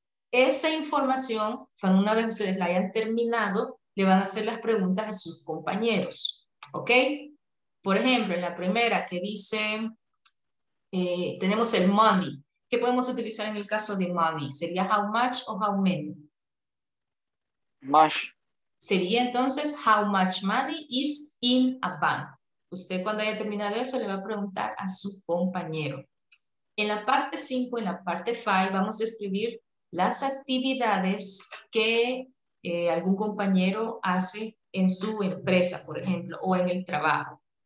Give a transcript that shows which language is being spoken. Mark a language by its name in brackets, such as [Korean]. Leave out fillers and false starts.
[Spanish] Esta información, cuando una vez ustedes la hayan terminado, le van a hacer las preguntas a sus compañeros. ¿Ok? Por ejemplo, en la primera que dice, tenemos el money. ¿Qué podemos utilizar en el caso de money? ¿Sería [English] how much o how many? Much. [Spanish] Sería entonces, [English] how much money is in a bank? [Spanish] Usted cuando haya terminado eso le va a preguntar a su compañero. En la parte 5, en la parte 5, vamos a escribir las actividades que algún compañero hace en su empresa, por ejemplo, o en el trabajo.